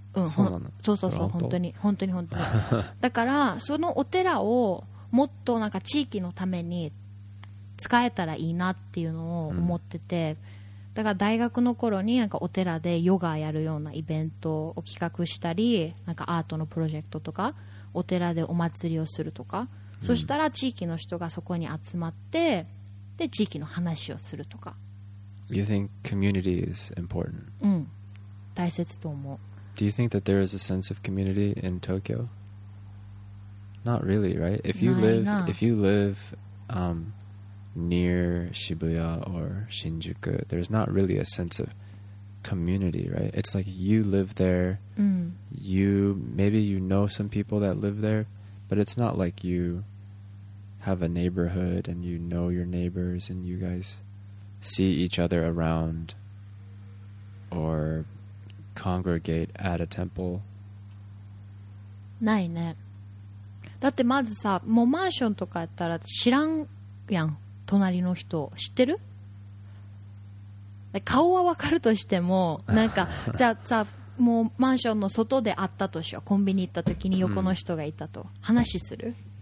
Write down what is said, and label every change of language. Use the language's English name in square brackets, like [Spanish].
[Japanese] うん、そうそうそう、本当にだからそのお寺をもっとなんか地域のために使えたらいいなっていうのを思ってて、うん、だから大学の頃になんかお寺でヨガやるようなイベントを企画したり、なんかアートのプロジェクトとか、お寺でお祭りをするとか、うん、そしたら地域の人がそこに集まって、で地域の話をするとか。 [English] You think community is important? [Japanese] うん、大切と思う。 [English] Do you think that there is a sense of community in Tokyo? Not really, right? If you live near Shibuya or Shinjuku, there's not really a sense of community, right? It's like you live there, maybe you know some people that live there, but it's not like you have a neighborhood and you know your neighbors and you guys see each other around or congregate at a temple. [Japanese] ないね。だってまずさ、もうマンションとかやったら知らんやん、隣の人知ってる？顔はわかるとしても、なんかじゃあさ、もうマンションの外で会ったとしよう、コンビニ行った時に横の人がいたと、うん、話する？